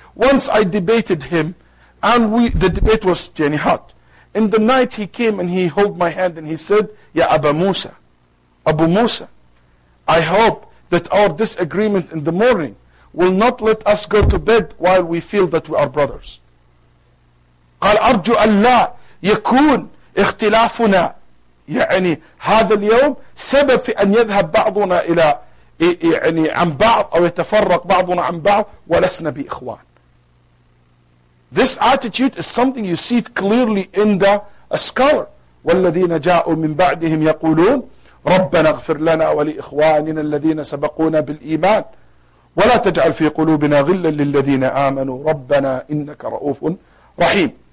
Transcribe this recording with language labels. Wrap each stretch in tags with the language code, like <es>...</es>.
<en>Once I debated him, and the debate was very hot. In the night he came and he held my hand and he said, Ya Abu Musa, Abu Musa, I hope that our disagreement in the morning will not let us go to bed while we feel that we are brothers.</en> <ar>قال أرجو الله يكون اختلافنا يعني هذا اليوم سبب في أن يذهب بعضنا إلى يعني عن بعض أو يتفرق بعضنا عن بعض ولسنا بإخوان.</ar> <en>This attitude is something you see it clearly in the scholar.</en> <ar>وَالَّذِينَ جَاءُوا مِنْ بَعْدِهِمْ يَقُولُونَ رَبَّنَا اغْفِرْ لَنَا وَلِإِخْوَانِنَا الَّذِينَ سَبَقُونَا بِالْإِيمَانِ وَلَا تَجْعَلْ فِي قُلُوبِنَا غِلًّا لِلَّذِينَ آمَنُوا رَبَّنَا إِنَّكَ رَؤُوفٌ رَحِيمٌ.</ar>